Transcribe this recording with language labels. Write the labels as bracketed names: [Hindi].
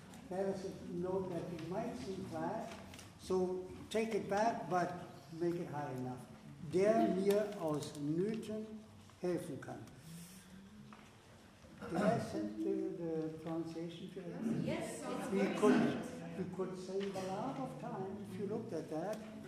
[English] That is a note that you might seem flat, so take it back, but make it high enough. [German] Der mir aus Nöten helfen kann. [English] Did I send the pronunciation to you? Yes, we could save a lot of time if you looked at that.